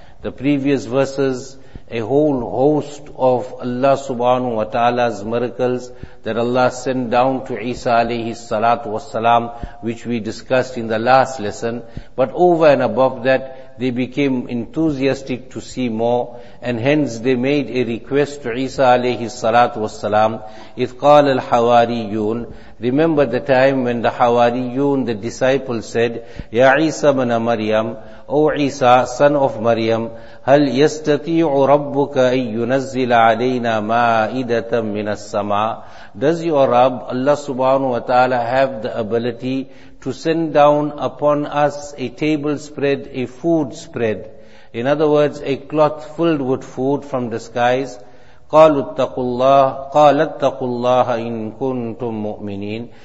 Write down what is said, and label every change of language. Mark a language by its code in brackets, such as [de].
[en] The previous verses, a whole host of Allah subhanahu wa ta'ala's miracles that Allah sent down to Isa alayhi salatu wassalam, which we discussed in the last lesson. But over and above that, they became enthusiastic to see more, and hence they made a request to Isa alayhi salatu wassalam. [ar] إِذْ قَالَ الْحَوَارِيُّونَ, [en] remember the time when the Hawariyun, the disciples, said, [ar] يَا عِيسَى بْنَ مَرْيَمَ, [en] O Isa, son of Maryam, [ar] هَلْ يَسْتَطِيعُ رَبُّكَ أَن يُنَزِّلَ عَلَيْنَا مَائِدَةً مِنَ السَّمَاءِ. [en] Does your Rabb, Allah subhanahu wa ta'ala, have the ability to send down upon us a table spread, a food spread? In other words, a cloth filled with food from the skies. [ar] قَالُوا اتَّقُوا اللَّهَ إِن كُنْتُم مُؤْمِنِينَ.